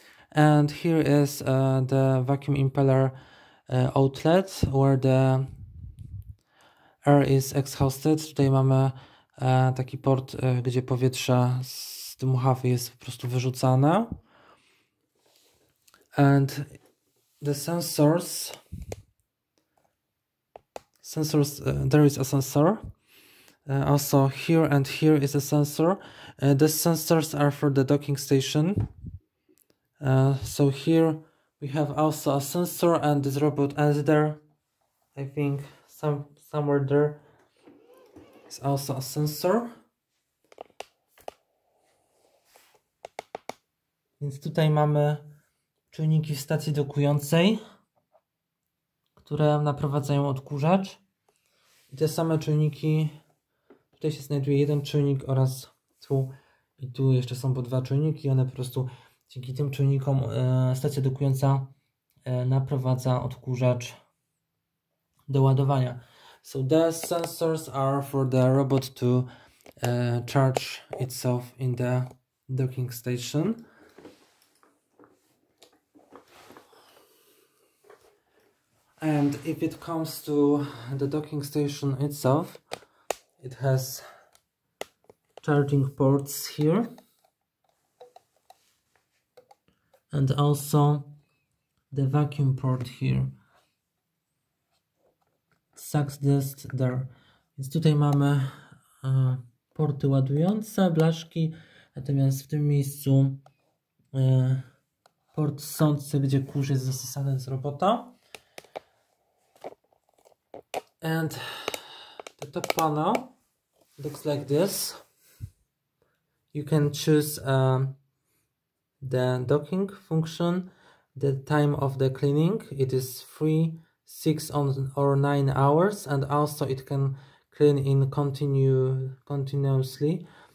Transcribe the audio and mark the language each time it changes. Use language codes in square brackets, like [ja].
[en] And here is the vacuum impeller outlet, where the air is exhausted. [pl] Tutaj mamy taki port, gdzie powietrze z dmuchawy jest po prostu wyrzucane. [en] And the sensors, there is a sensor. Also here and here is a sensor. The sensors are for the docking station. So here we have also a sensor and this robot is there. I think somewhere there is also a sensor. [pl] Więc tutaj mamy czujniki w stacji dokującej, które naprowadzają odkurzacz. I te same czujniki. Tutaj się znajduje jeden czujnik oraz tu i tu jeszcze są po dwa czujniki. One po prostu dzięki tym czujnikom stacja dokująca naprowadza odkurzacz do ładowania. [en] So the sensors are for the robot to charge itself in the docking station. And if it comes to the docking station itself, it has charging ports here and also the vacuum port here. Sucks dust there. [pl] Więc tutaj mamy porty ładujące, blaszki, natomiast w tym miejscu port sący, gdzie kurz jest zasysany z robota. [en] And the top panel looks like this. You can choose the docking function, the time of the cleaning. It is 3, 6 or 9 hours, and also it can clean in continuously.